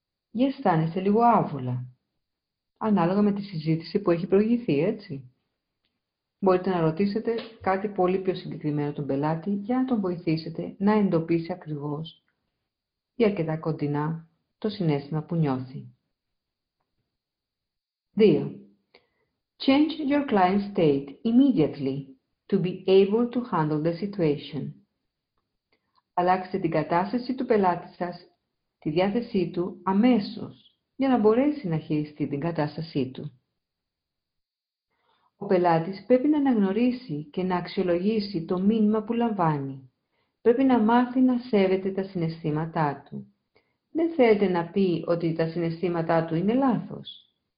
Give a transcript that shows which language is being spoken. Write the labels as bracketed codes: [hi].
[el] Ή αισθάνεστε λίγο άβολα. Ανάλογα με τη συζήτηση που έχει προηγηθεί, έτσι. Μπορείτε να ρωτήσετε κάτι πολύ πιο συγκεκριμένο τον πελάτη για να τον βοηθήσετε να εντοπίσει ακριβώς ή αρκετά κοντινά το συνέστημα που νιώθει. 2. [en] Change your client's state immediately to be able to handle the situation. [el] Αλλάξτε την κατάσταση του πελάτη σας, τη διάθεσή του, αμέσως, για να μπορέσει να χειριστεί την κατάστασή του. Ο πελάτης πρέπει να αναγνωρίσει και να αξιολογήσει το μήνυμα που λαμβάνει. Πρέπει να μάθει να σέβεται τα συναισθήματά του. Δεν θέλετε να πει ότι τα συναισθήματά του είναι λάθος.